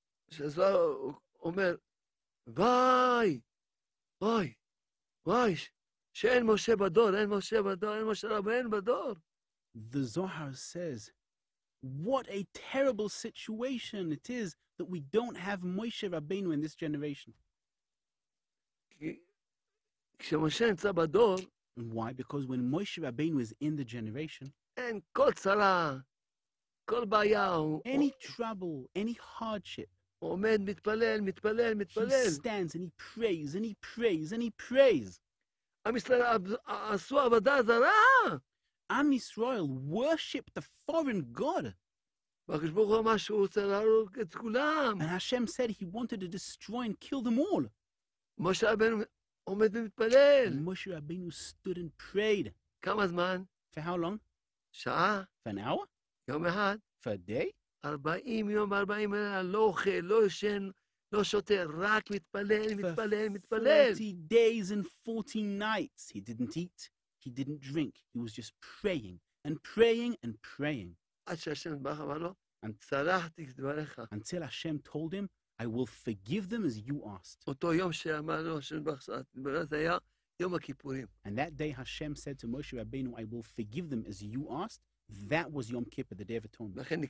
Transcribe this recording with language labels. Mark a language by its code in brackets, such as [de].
[he] שזוהר אומר, וואי, שאין משה בדור, אין משה בדור, אין משה רבן בדור. [en] The Zohar says, what a terrible situation it is that we don't have Moshe Rabbeinu in this generation. [he] כשמשה נמצא בדור, [en] and why? Because when Moshe Rabbeinu was in the generation, [he] and kol tzara, kol bayahu, [en] any trouble, any hardship, [he] omed mitpalel, mitpalel, mitpalel, [en] he stands and he prays and he prays and he prays. [he] Am Yisrael asu avodah zarah. [en] Am Yisrael worshipped the foreign god. And Hashem said he wanted to destroy and kill them all. [he] Moshe Rabbeinu עומד ומתפלל. [en] Moshe Rabbeinu stood and prayed. [he] כמה זמן? [en] For how long? [he] שעה. [en] For an hour? [he] יום אחד. [en] For a day? [he] 40 יום, 40 לילה, לא אוכל, לא ישן, לא שותה, רק מתפלל, מתפלל, מתפלל. [en] For 40 days and 40 nights, he didn't eat, he didn't drink, he was just praying, and praying, and praying. [he] עד שהשם בא אמר לו, צלחתי כדבריך. [en] Until Hashem told him, I will forgive them as you asked. And that day Hashem said to Moshe Rabbeinu, I will forgive them as you asked. That was Yom Kippur, the Day of Atonement.